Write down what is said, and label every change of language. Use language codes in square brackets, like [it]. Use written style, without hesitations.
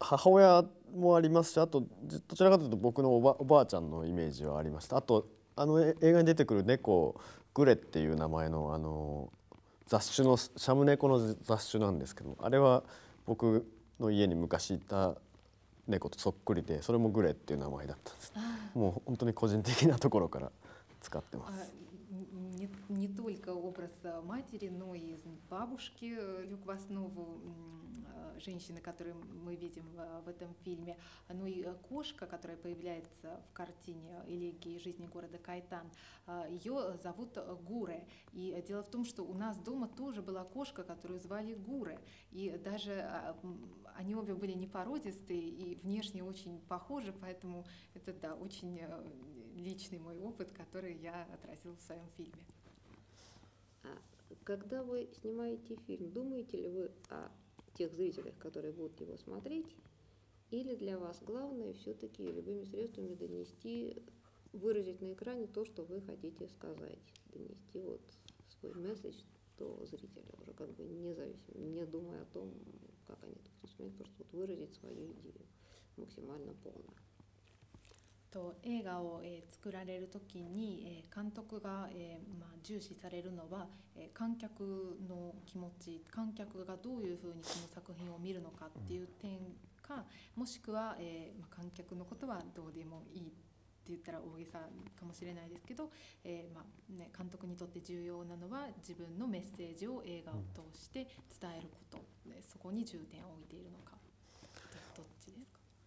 [ja] 母親もありますし、あとどちらかというと僕のおばあちゃんのイメージはありました。あとあの映画に出てくる猫グレっていう名前のあの雑種のシャム猫の雑種なんですけど、あれは僕の家に昔いた猫とそっくりで、それもグレっていう名前だったんです。もう本当に個人的なところから使ってます。 [ru] Не только образ матери, но и бабушки Люквасновы, женщины, которую мы видим в этом фильме, ну и кошка, которая появляется в картине «Элегии жизни города Кайтан», ее зовут Гуре. И дело в том, что у нас дома тоже была кошка, которую звали Гуре. И даже они обе были непородистые и внешне очень похожи, поэтому это, да, очень личный мой опыт, который я отразил в своем фильме. Когда вы снимаете фильм, думаете ли вы о тех зрителях, которые будут его смотреть, или для вас главное все-таки любыми средствами донести, выразить на экране то, что вы хотите сказать, донести вот свой месседж до зрителя, уже как бы независимо, не думая о том, как они это смотрят, просто вот выразить свою идею максимально полно. [ja] と映画を作られるときに監督が重視されるのは観客の気持ち、観客がどういうふうにこの作品を見るのかっていう点か、もしくは観客のことはどうでもいいって言ったら大げさかもしれないですけど、監督にとって重要なのは自分のメッセージを映画を通して伝えること、そこに重点を置いているのか、どっちですか？